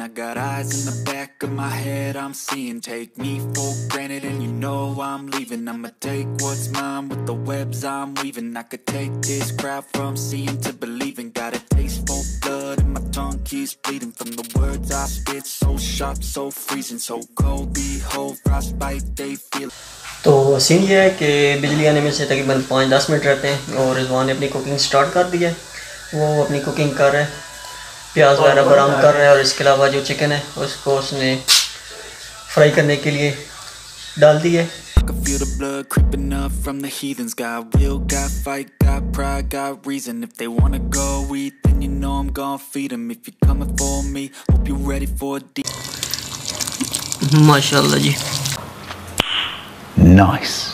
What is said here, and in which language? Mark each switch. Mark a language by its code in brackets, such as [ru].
[en] I got eyes in the back of my head, I'm seeing. Take me for granted and you know I'm leaving. I'ma take what's mine with the webs I'm weaving. I could take this crowd from seeing to believing. Got a taste for blood and my tongue keeps bleeding from the words I spit, so sharp, so freezing, so cold, behold, frostbite, they feel. [ur] تو سین یہ ہے کہ بجلی آنے میں سے تقریباً 5-10 minute رہتے ہیں، اور رضوان نے اپنی کوکنگ اسٹارٹ کر دی ہے، وہ اپنی کوکنگ کر رہے ہیں، پیاز وغیرہ برام کر رہے ہیں، اور اس کے علاوہ جو چکن ہے اس کو اس نے فرائی کرنے کے لیے ڈال دی ہے. [en] Feel the blood creeping up from the heathens, got will, got fight, got pride, got reason. If they want to go eat, then you know I'm gonna feed them. If you're coming for me, hope you're ready for a deep. [ur] MashaAllah ji. [en] Nice.